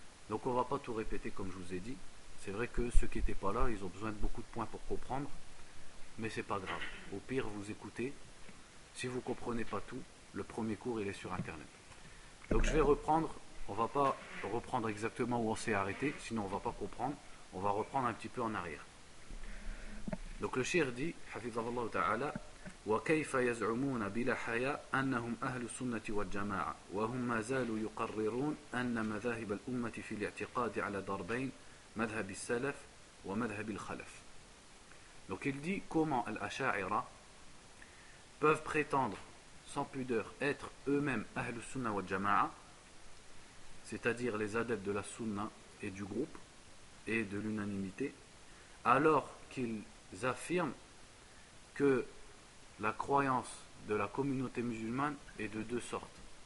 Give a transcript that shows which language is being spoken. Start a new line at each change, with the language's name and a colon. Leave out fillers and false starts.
French: Donc on ne va pas tout répéter comme je vous ai dit. C'est vrai que ceux qui n'étaient pas là, ils ont besoin de beaucoup de points pour comprendre, mais ce n'est pas grave. Au pire, vous écoutez. Si vous ne comprenez pas tout, le premier cours il est sur internet. Donc je vais reprendre, on ne va pas reprendre exactement où on s'est arrêté, sinon on ne va pas comprendre. On va reprendre un petit peu en arrière. Donc le shir dit,
Arabic: hafizahullah ta'ala, وكيف يزعمون بلا حياء أنهم أهل السنة والجماعة وهم ما زالوا يقررون أن مذاهب الأمة في الاعتقاد على ضربين مذهب السلف ومذهب الخلف.
French: Donc il dit comment Al-Asha'ira peuvent prétendre sans pudeur être eux-mêmes
Arabic: أهل السنة والجماعة,
French: c'est-à-dire les adeptes de la sunna et du groupe et de l'unanimité, alors qu'ils affirment que la croyance de la communauté musulmane est de deux sortes.